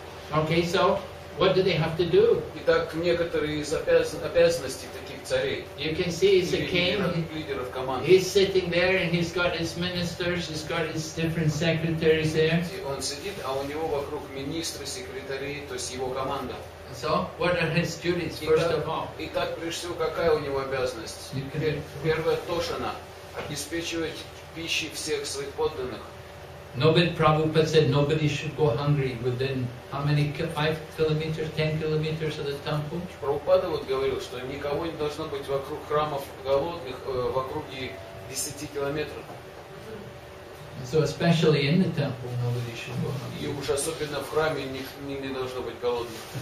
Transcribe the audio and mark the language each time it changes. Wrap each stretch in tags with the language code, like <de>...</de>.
<en>Okay, so what do they have to do?</en> <ru>Итак, некоторые из обязанностей таких царей.</ru> <en>You can see it's a king.</en> <ru>Лидеров команд.</ru> <en>He's sitting there and he's got his ministers, he's got his different secretaries there.</en> <ru>И он сидит, а у него вокруг министры, секретари, то есть его команда.</ru> <en>So, what are his duties, first of all?</en> <ru>Итак, прежде всего, какая у него обязанность? Первое, тошана. Обеспечивать пищей всех своих подданных.</ru> <en>Nobody, Prabhupada said, nobody should go hungry within how many, 5 kilometers, 10 kilometers of the temple?</en> <ru>Prabhupada вот говорил, что никого не должно быть вокруг храмов голодных, вокруг 10 километров.</ru> <en>So especially in the temple, nobody should go hungry.</en> <ru>И уж особенно в храме не должно быть голодных.</ru>